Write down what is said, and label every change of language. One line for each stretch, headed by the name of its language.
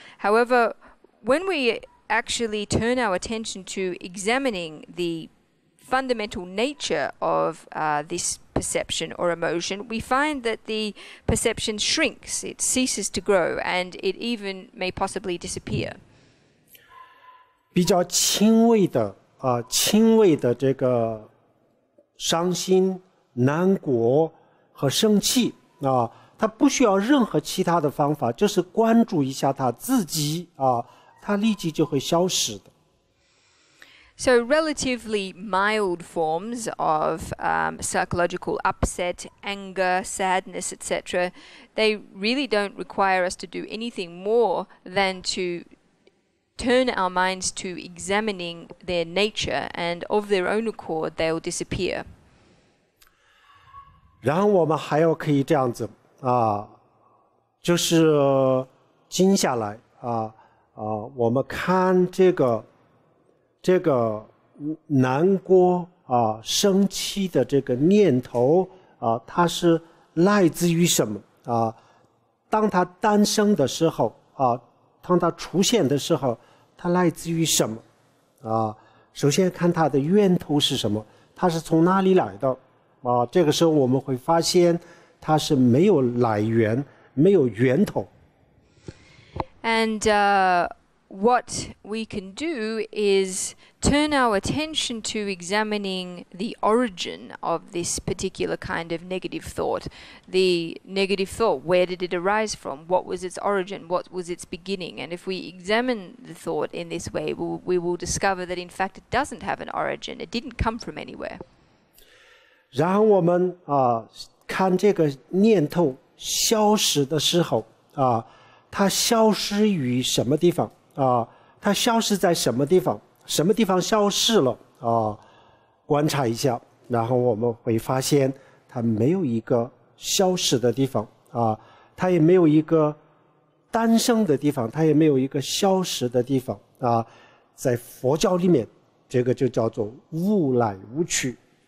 English: However, when weActually, turn our attention to examining the fundamental nature of this perception or emotion. We find that the perception shrinks; it ceases to grow, and it even may possibly disappear.
Chinese: 比较轻微的啊，轻微的这个伤心、难过和生气啊，它不需要任何其他的方法，就是关注一下它自己啊。它立即就会消失的。
English: So relatively mild forms of psychological upset, anger, sadness, etc., they really don't require us to do anything more than to turn our minds to examining their nature, and of their own accord, they will disappear.
Chinese: 然后我们还要可以这样子啊，就是静下来啊啊，我们看这个难过啊、生气的这个念头啊，它是来自于什么啊？当它诞生的时候啊，当它出现的时候，它来自于什么啊？首先看它的源头是什么，它是从哪里来的啊？这个时候我们会发现，它是没有来源，没有源头。
English: And what we can do is turn our attention to examining the origin of this particular kind of negative thought. The negative thought, where did it arise from? What was its origin? What was its beginning? And if we examine the thought in this way, we will discover that in fact it doesn't have an origin. It didn't come from anywhere.
Chinese: 然后我们看这个念头消失的时候它消失于什么地方它消失在什么地方？什么地方消失了？观察一下，然后我们会发现它没有一个消失的地方它也没有一个诞生的地方，它也没有一个消失的地方在佛教里面，这个就叫做无来无去。